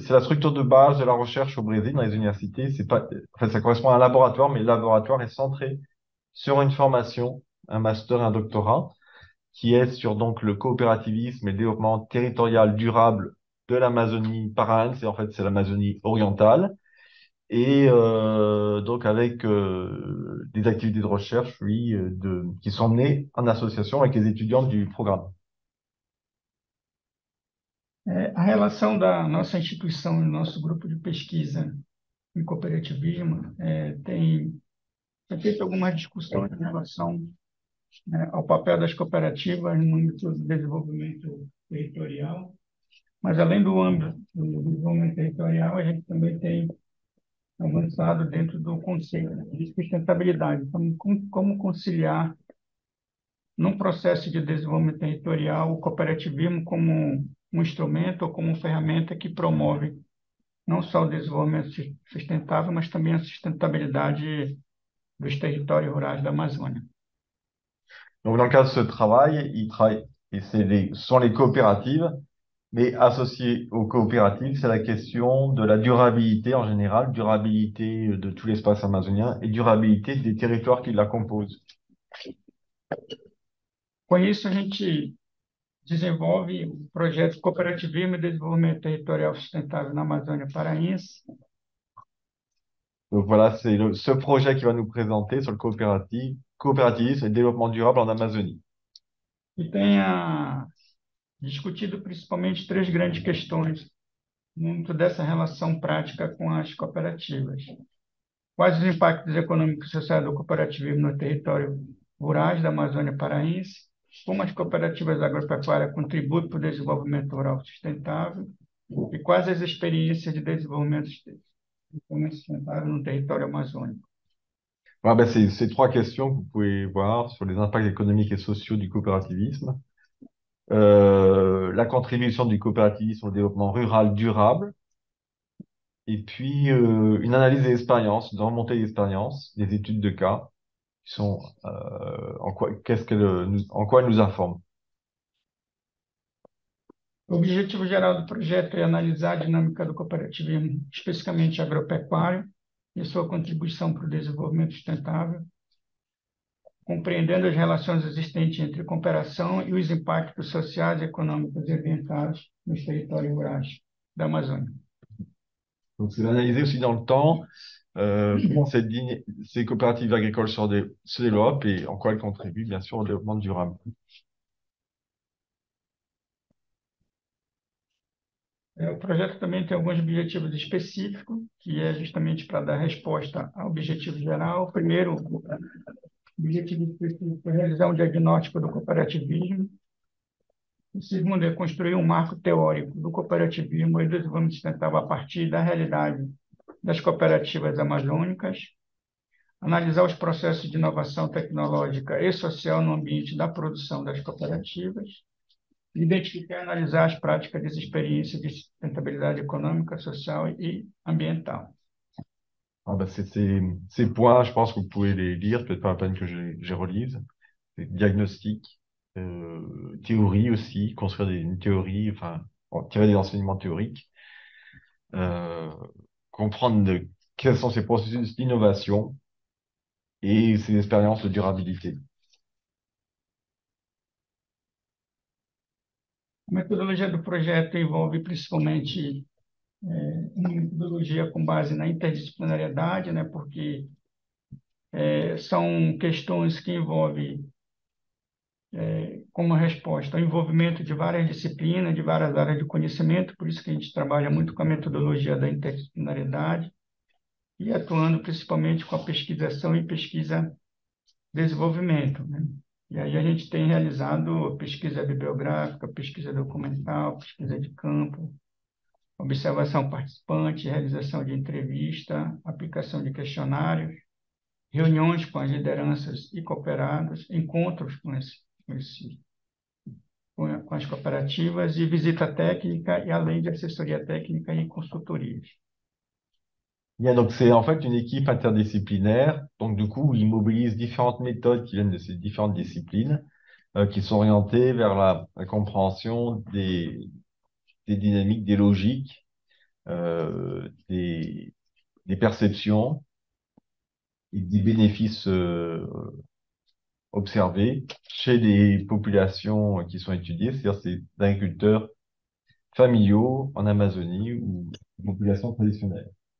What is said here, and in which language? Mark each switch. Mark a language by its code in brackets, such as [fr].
[fr] C'est la structure de base de la recherche au Brésil dans les universités. C'est pas, en fait, ça correspond à un laboratoire, mais le laboratoire est centré sur une formation, un master et un doctorat qui est sur donc le coopérativisme et le développement territorial durable de l'Amazonie parrain. C'est en fait c'est l'Amazonie orientale. Et donc avec des activités de recherche, oui, qui sont menées en association avec les étudiants du programme. [pt] A relação da nossa instituição e nosso grupo de pesquisa em cooperativismo tem feito algumas discussões em relação ao papel das cooperativas no âmbito do desenvolvimento territorial, mas além do âmbito do desenvolvimento territorial, a gente também tem avançado dentro do conceito de sustentabilidade, como conciliar num processo de desenvolvimento territorial o cooperativismo como um instrumento ou como uma ferramenta que promove não só o desenvolvimento sustentável, mas também a sustentabilidade dos territórios rurais da Amazônia. [fr] Donc, dans le cadre de ce travail, ce sont les coopératives, mais associées aux coopératives, c'est la question de la durabilité en général, durabilité de tout l'espace amazonien et durabilité des territoires qui la composent. [pt] Com isso, a gente desenvolve o projeto Cooperativismo e Desenvolvimento Territorial Sustentável na Amazônia Paraense. [fr] Donc, voilà, ce projet qui va nous présenter sur le coopérativisme et développement durable en Amazonie. [pt] E tenha discutido principalmente três grandes questões dentro dessa relação prática com as cooperativas. Quais os impactos econômicos e sociais do cooperativismo no território rural da Amazônia Paraense? Como as cooperativas agropecuárias contribuem para o desenvolvimento rural sustentável e quais as experiências de desenvolvimento sustentável no território amazônico? [fr] Ah ben ces trois questions que vous pouvez voir sur les impacts économiques et sociaux du coopérativisme, la contribution du coopérativisme au développement rural durable, et puis une analyse d'expérience, de remontée d'expérience, des études de cas, qui sont en quoi elles nous informent. [pt] O objetivo geral do projeto é analisar a dinâmica do cooperativismo, especificamente agropecuário, e sua contribuição para o desenvolvimento sustentável, compreendendo as relações existentes entre cooperação e os impactos sociais, econômicos e ambientais nos territórios rurais da Amazônia. [fr] Donc, c'est d'analyser aussi dans le temps comment ces coopératives agricoles se développent et en quoi elles contribuent, bien sûr, au développement durable. [pt] O projeto também tem alguns objetivos específicos, que é justamente para dar resposta ao objetivo geral. Primeiro, o objetivo específico foi realizar um diagnóstico do cooperativismo. O segundo é construir um marco teórico do cooperativismo e desenvolvimento sustentável a partir da realidade das cooperativas amazônicas. Analisar os processos de inovação tecnológica e social no ambiente da produção das cooperativas. Identificar e analisar as práticas dessa experiência de sustentabilidade econômica, social e ambiental. [fr] Ah ben ces points, je pense que vous pouvez les lire, peut-être pas la peine que je relise. Diagnostic, théorie aussi, construire une théorie, enfin, bon, tirer des enseignements théoriques, comprendre quels sont ces processus d'innovation et ces expériences de durabilité. [pt] A metodologia do projeto envolve principalmente uma metodologia com base na interdisciplinariedade, né? Porque são questões que envolvem como resposta o envolvimento de várias disciplinas, de várias áreas de conhecimento, por isso que a gente trabalha muito com a metodologia da interdisciplinariedade e atuando principalmente com a pesquisação e pesquisa-desenvolvimento, né? E aí a gente tem realizado pesquisa bibliográfica, pesquisa documental, pesquisa de campo, observação participante, realização de entrevista, aplicação de questionários, reuniões com as lideranças e cooperados, encontros com as cooperativas e visita técnica e além de assessoria técnica e consultorias. [fr] Donc c'est en fait une équipe interdisciplinaire. Donc du coup, ils mobilisent différentes méthodes qui viennent de ces différentes disciplines, qui sont orientées vers la compréhension des dynamiques, des logiques, des perceptions et des bénéfices observés chez les populations qui sont étudiées, c'est-à-dire ces agriculteurs familiaux en Amazonie ou populations traditionnelles.